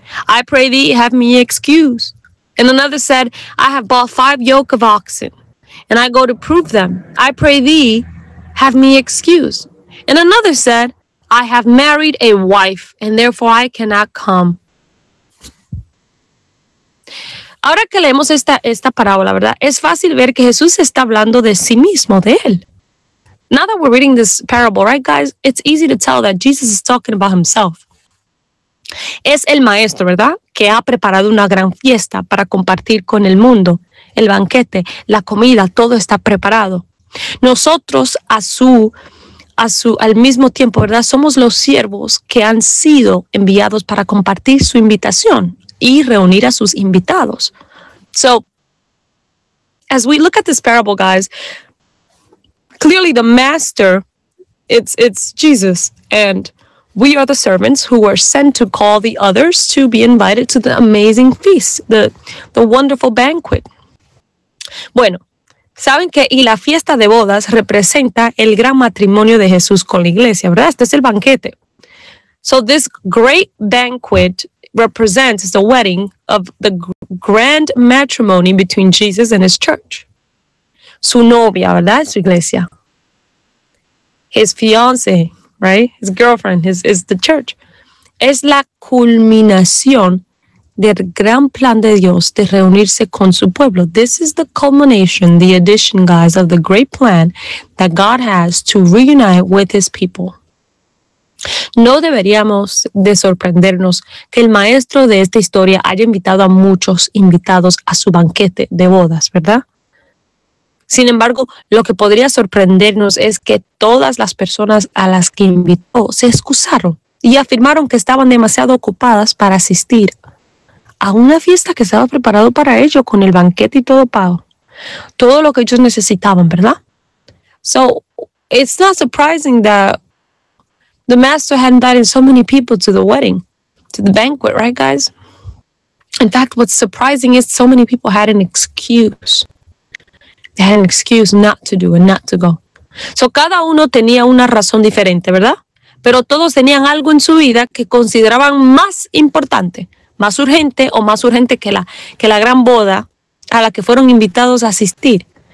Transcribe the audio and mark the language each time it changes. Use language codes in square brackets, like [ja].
[en] I pray thee, have me excuse. And another said, I have bought 5 yoke of oxen, and I go to prove them. I pray thee, have me excuse. And another said, I have married a wife, and therefore I cannot come. [es] Ahora que leemos esta parábola, ¿verdad? Es fácil ver que Jesús está hablando de sí mismo, de él. [en] Now that we're reading this parable, right, guys? It's easy to tell that Jesus is talking about himself. [es] Es el maestro, ¿verdad? Que ha preparado una gran fiesta para compartir con el mundo. El banquete, la comida, todo está preparado. Nosotros al mismo tiempo, ¿verdad? Somos los siervos que han sido enviados para compartir su invitación y reunir a sus invitados. [en] So, as we look at this parable, guys, clearly the master, it's Jesus, and we are the servants who were sent to call the others to be invited to the amazing feast, the wonderful banquet. [es] Bueno, saben que y la fiesta de bodas representa el gran matrimonio de Jesús con la iglesia, ¿verdad? Este es el banquete. [en] So this great banquet represents the wedding of the grand matrimony between Jesus and his church. [es] Su novia, ¿verdad? Su iglesia. [en] His fiance, right? His girlfriend is the church. [es] Es la culminación del gran plan de Dios de reunirse con su pueblo. [en] This is the culmination, the addition, guys, of the great plan that God has to reunite with his people. [es] No deberíamos de sorprendernos que el maestro de esta historia haya invitado a muchos invitados a su banquete de bodas, ¿verdad? Sin embargo, lo que podría sorprendernos es que todas las personas a las que invitó se excusaron y afirmaron que estaban demasiado ocupadas para asistir a una fiesta que estaba preparado para ello con el banquete y todo pago. Todo lo que ellos necesitaban, ¿verdad? [en] So, it's not surprising that the master had invited so many people to the wedding, to the banquet, right, guys? In fact, what's surprising is so many people had an excuse. They had an excuse not to do and not to go. [es] So cada uno tenía una razón diferente, ¿verdad? Pero todos tenían algo en su vida que consideraban más importante, más urgente o más urgente que la gran boda a la que fueron invitados a asistir.